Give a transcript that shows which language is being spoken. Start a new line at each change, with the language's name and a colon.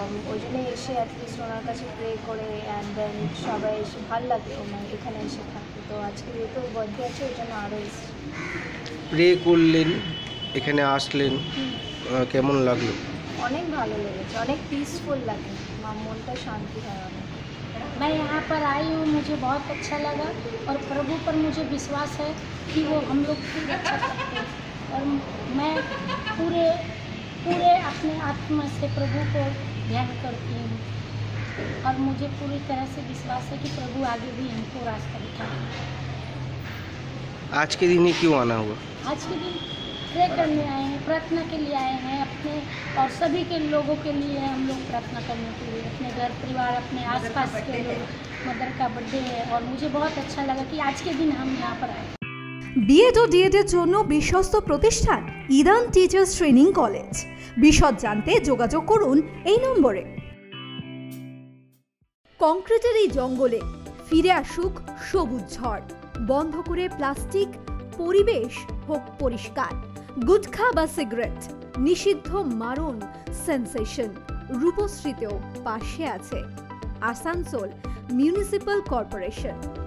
Bangla: ওই জন্যই এসে অ্যাটলিস্ট ওনার কাছে প্রে করে অ্যান্ড দেন সবাই এসে ভালো লাগে ওনার এখানে এসে থাকতে। তো আজকে যেহেতু বার্থডে আছে ওই জন্য আরও এসেছি। প্রে করলেন, এখানে আসলেন, কেমন লাগলো? অনেক ভালো লেগেছে, অনেক পিসফুল লাগে, মনটা শান্তি হয় অনেক।
Hindi: मैं यहाँ पर आई हूँ, मुझे बहुत अच्छा लगा और प्रभु पर मुझे विश्वास है कि वो हम लोग को अच्छा करते हैं और मैं पूरे पूरे अपने आत्मा से प्रभु को ध्यान करती हूँ और मुझे पूरी तरह से विश्वास है कि प्रभु आगे भी हमको रास्ता दिखाएंगे। आज के दिन ही क्यों आना हुआ? आज के दिन प्रे करने आए हैं, प्रार्थना के लिए आए हैं, अपने और सभी के लोगों के लिए हम लोग प्रार्थना करने के लिए, अपने घर परिवार, अपने आसपास के लोग। मदर का बर्थडे है और मुझे बहुत अच्छा लगा कि आज के दिन हम यहाँ पर आए।
Bangla: বিএড ও ডিএড এর জন্য বিশ্বস্ত প্রতিষ্ঠান ইরান টিচার্স ট্রেনিং কলেজ। বিশদ জানতে যোগাযোগ করুন এই নম্বরে। কংক্রিটের এই জঙ্গলে ফিরে আসুক সবুজ ঝড়, বন্ধ করে প্লাস্টিক, পরিবেশ হোক পরিষ্কার, গুটখা বা সিগারেট নিষিদ্ধ মারণ সেন্সেশন, রূপশ্রীতেও পাশে আছে আসানসোল মিউনিসিপাল কর্পোরেশন।